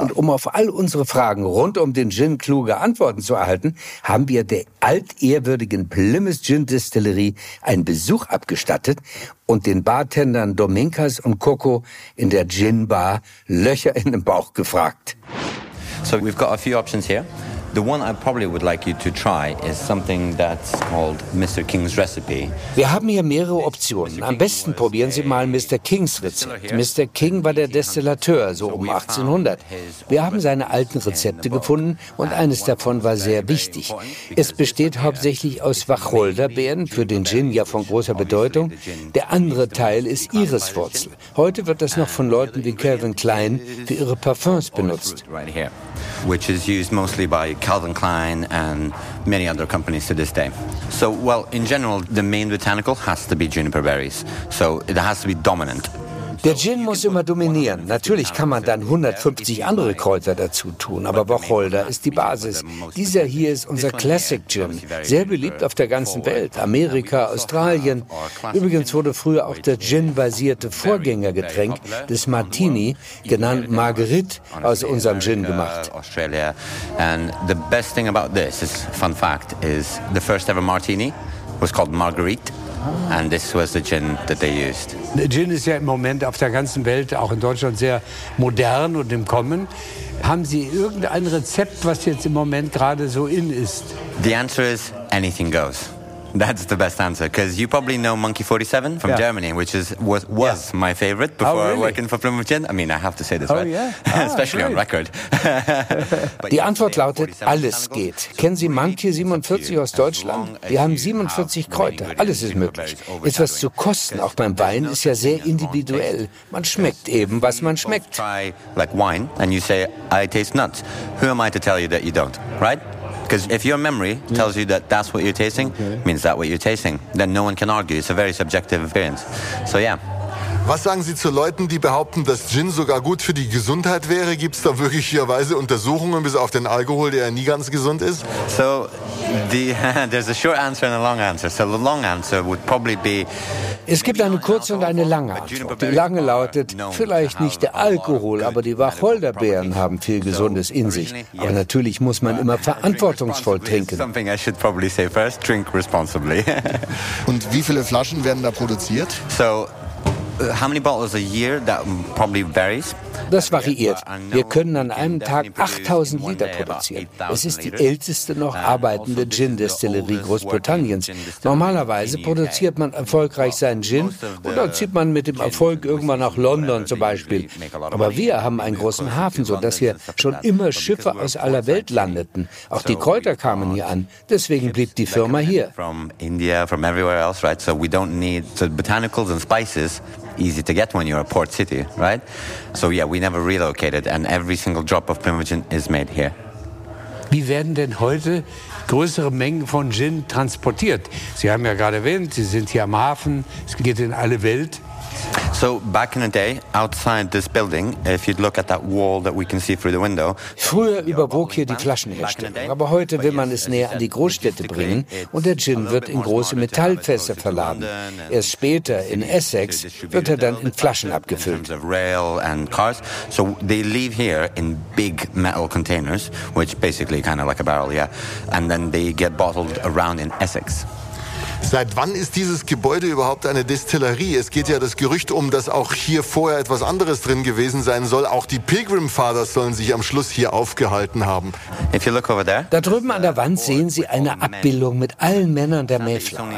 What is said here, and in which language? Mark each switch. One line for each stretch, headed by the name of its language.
German: Und um auf all unsere Fragen rund um den Gin kluge Antworten zu erhalten, haben wir der altehrwürdigen Plymouth Gin Distillery einen Besuch abgestattet und den Bartendern Dominguez und Coco in der Gin Bar Löcher in den Bauch gefragt.
English: So we've got a few options here. The one I probably would like you to try is something that's called Mr. King's Recipe.
German: Wir haben hier mehrere Optionen. Am besten probieren Sie mal Mr. King's Rezept. Mr. King war der Destillateur, so um 1800. Wir haben seine alten Rezepte gefunden und eines davon war sehr wichtig. Es besteht hauptsächlich aus Wacholderbeeren, für den Gin ja von großer Bedeutung. Der andere Teil ist Iriswurzel. Heute wird das noch von Leuten wie Calvin Klein für ihre Parfums benutzt.
English: Which is used mostly by Calvin Klein and many other companies to this day. So, well, in general, the main botanical has to be juniper berries. So it has to be dominant.
German: Der Gin muss immer dominieren. Natürlich kann man dann 150 andere Kräuter dazu tun, aber Wacholder ist die Basis. Dieser hier ist unser Classic Gin, sehr beliebt auf der ganzen Welt, Amerika, Australien. Übrigens wurde früher auch der Gin-basierte Vorgängergetränk des Martini, genannt Marguerite, aus unserem Gin gemacht.
English: And the best thing about this is, fun fact, is the first ever Martini was called Marguerite. And this was the gin that they used.
German: Der Gin ist ja im Moment auf der ganzen Welt, auch in Deutschland, sehr modern und im Kommen. Haben Sie irgendein Rezept, was jetzt im Moment gerade so in ist?
English: The answer is anything goes. That's the best answer, because you probably know Monkey 47 from Germany, which is was my favorite before working for Plymouth Gin. I mean, I have to say this, right? Especially on record.
German: Die Antwort lautet, alles geht. Kennen Sie Monkey 47 aus Deutschland? Wir haben 47 Kräuter, alles ist möglich. Etwas zu kosten, auch beim Wein, ist ja sehr individuell. Man schmeckt eben, was man schmeckt.
English: Like wine, and you say, I taste nuts. Who am I to tell you that you don't, right? Because if your memory tells you that that's what you're tasting, means that what you're tasting, then no one can argue. It's a very subjective experience. So yeah.
German: Was sagen Sie zu Leuten, die behaupten, dass Gin sogar gut für die Gesundheit wäre? Gibt's da wirklicherweise Untersuchungen, bis auf den Alkohol, der ja nie ganz gesund ist?
English: So, there's a short answer and a long answer. So the long answer would probably be...
German: Es gibt eine kurze und eine lange Antwort. Die lange lautet, vielleicht nicht der Alkohol, aber die Wacholderbeeren haben viel Gesundes in sich. Aber natürlich muss man immer verantwortungsvoll trinken.
English: Something I should probably say first, drink responsibly.
German: Und wie viele Flaschen werden da produziert?
English: So... How many bottles a year? That probably varies.
German: Das variiert. Wir können an einem Tag 8000 Liter produzieren. Es ist die älteste noch arbeitende Gin-Destillerie Großbritanniens. Normalerweise produziert man erfolgreich seinen Gin und dann zieht man mit dem Erfolg irgendwann nach London zum Beispiel. Aber wir haben einen großen Hafen, sodass hier schon immer Schiffe aus aller Welt landeten. Auch die Kräuter kamen hier an. Deswegen blieb die Firma hier.
English: From India, from everywhere else, right? So we don't need the botanicals and spices. Easy to get when you're a port city, right? So yeah, we never relocated and every single drop of Plymouth Gin is made here.
German: Wie werden denn heute größere Mengen von Gin transportiert? Sie haben ja gerade erwähnt, Sie sind hier am Hafen, es geht in alle Welt.
English: So back in the day, outside this building, if you'd look at that wall that we can see through the window.
German: Früher überwog hier die Flaschenherstellung, aber heute will man es näher an die Großstädte bringen und der Gin wird in große Metallfässer verladen. Erst später in Essex wird er dann in Flaschen abgefüllt.
English: Rail and cars, so they leave here in big metal containers, which basically kind of like a barrel, yeah, and then they get bottled around in Essex.
German: Seit wann ist dieses Gebäude überhaupt eine Destillerie? Es geht ja das Gerücht um, dass auch hier vorher etwas anderes drin gewesen sein soll. Auch die Pilgrim Fathers sollen sich am Schluss hier aufgehalten haben.
English: If you look over there,
German: da drüben an der Wand sehen Sie eine Abbildung mit allen Männern der Mayflower.